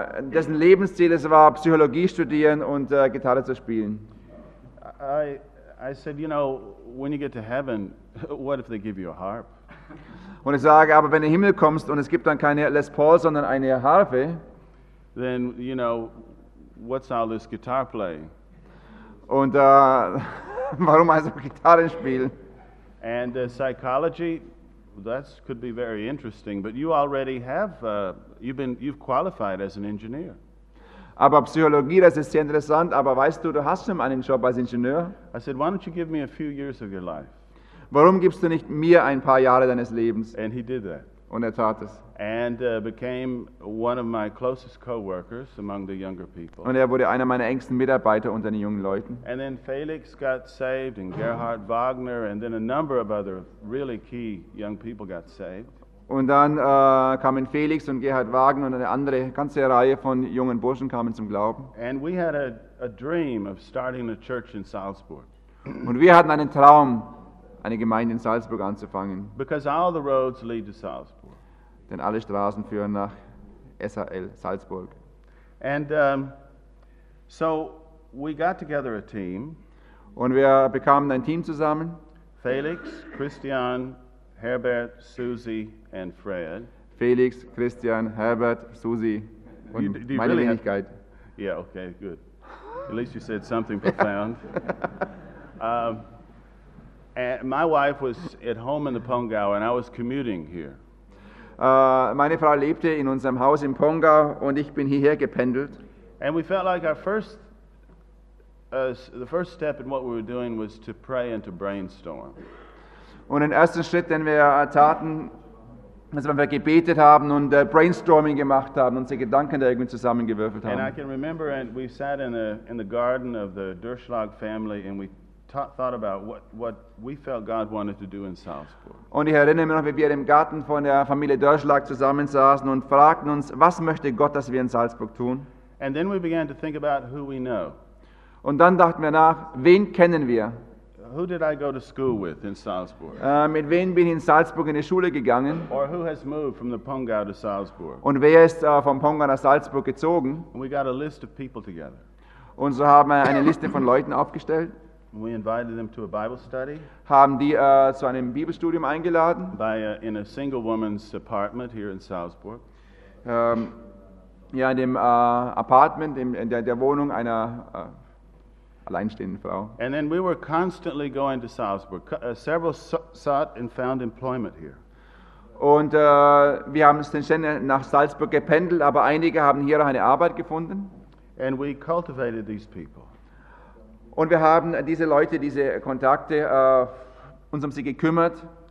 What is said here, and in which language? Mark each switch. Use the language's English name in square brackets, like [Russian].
[German] Dessen Lebensziel es war, Psychologie studieren und Gitarre zu spielen. [English] I said, you know, when you get to heaven, what if they give you a harp? [German] Und ich sage, aber wenn du in den Himmel kommst und es gibt dann keine Les Paul, sondern eine Harfe, [English] then, you know, what's all this guitar playing? [German] Und warum also Gitarrenspiel? [English] And the psychology, that could be very interesting, but you already have, you've qualified as an engineer. [German] Aber Psychologie, das ist sehr interessant, aber weißt du, du hast schon einen Job als Ingenieur. [English] I said, why don't you give me a few years of your life? [German] Warum gibst du nicht mir ein paar Jahre deines Lebens? [English] And he did that. [German] Und er tat es. [English] And became one of my closest co-workers among the younger people. [German] Und er wurde einer meiner engsten Mitarbeiter unter den jungen Leuten. [English] And then Felix got saved and Gerhard Wagner and then a number of other really key young people got saved. [German] Und dann kamen Felix und Gerhard Wagner und eine andere ganze Reihe von jungen Burschen kamen zum Glauben. [English] And we had a dream of starting a church in Salzburg. [German] Und wir hatten einen Traum, eine Gemeinde in Salzburg anzufangen. [English] Because all the roads lead to Salzburg. [German] Denn alle Straßen führen nach SAL Salzburg. [English] And so we got together a team. [German] Und wir bekamen ein Team zusammen. [English] Felix, Christian, Herbert, Susie and Fred. [German] Felix, Christian, Herbert, Susie und meine [English] really [German] Wenigkeit. [English] Have, yeah, okay, good. At least you said something profound. And my wife was at home in the Pongau and I was commuting here. [German] Meine Frau lebte in unserem Haus in Pongau und ich bin hierher gependelt. [English] And we felt like our first step in what we were doing was to pray and to brainstorm. [German] Und den ersten Schritt, den wir taten, ist, wenn wir gebetet haben und Brainstorming gemacht haben und unsere Gedanken da irgendwie zusammengewürfelt haben. [English] And I can remember and we sat in the garden of the Durchschlag family and we thought about what we felt God wanted to do in Salzburg. [German] Und ich erinnere mich noch, wie wir im Garten von der Familie Durchschlag zusammensaßen und fragten uns, was möchte Gott, dass wir in Salzburg tun? [English] And then we began to think about who we know. [German] Und dann dachten wir nach, wen kennen wir? [English] Who did I go to school with in Salzburg? [German] Mit wem bin ich in Salzburg in die Schule gegangen? [English] Or who has moved from the Pongau to Salzburg? [German] Und wer ist vom Pongau nach Salzburg gezogen? [English] And we got a list of people together. [German] Und so haben wir eine Liste von Leuten aufgestellt. [English] And we invited them to a Bible study. [German] Haben die zu einem Bibelstudium eingeladen? [English] In a single woman's apartment here in Salzburg. [German] Ja, in dem Apartment in der Wohnung einer alleinstehenden Frau. [English] And then we were constantly going to Salzburg. Several sought and found employment here. [German] Und wir haben es dann nach Salzburg gependelt, aber einige haben hier auch eine Arbeit gefunden. [English] And we cultivated these people. [German] Und wir haben diese Leute, diese Kontakte, uns um sie gekümmert.